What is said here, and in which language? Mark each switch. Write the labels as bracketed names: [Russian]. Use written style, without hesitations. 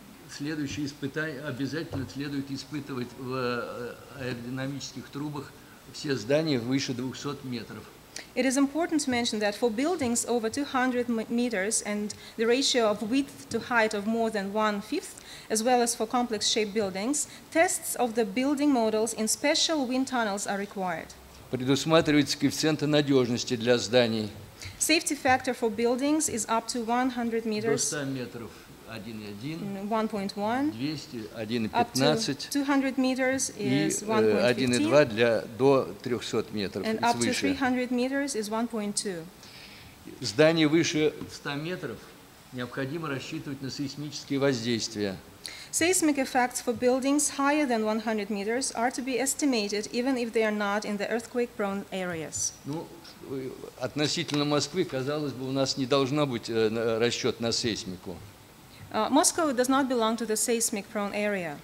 [Russian] Следующее испытание обязательно следует испытывать в аэродинамических трубах. Все здания выше 200 метров. [English] It is important to mention that for buildings over 200 meters and the ratio of width to height of more than 1/5, as well as for complex-shaped buildings, tests of the building models in special wind tunnels are required. [Russian] Предусматривается коэффициент надежности для зданий. [English] Safety factor for buildings is up to 100 meters. [Russian] 100 метров. 1.1, 1.1, 200, 1.15, [English] 200 meters is [Russian] 1.15, для до 300 метров, [English] and up to 300 meters is 1.2. [Russian] Здание выше 100 метров необходимо рассчитывать на сейсмические воздействия. [English] Seismic effects for buildings higher than 100 meters are to be estimated even if they are not in the earthquake-prone areas. [Russian] Ну, относительно Москвы, казалось бы, у нас не должно быть расчет на сейсмику. [English] Moscow does not belong to the seismic-prone area.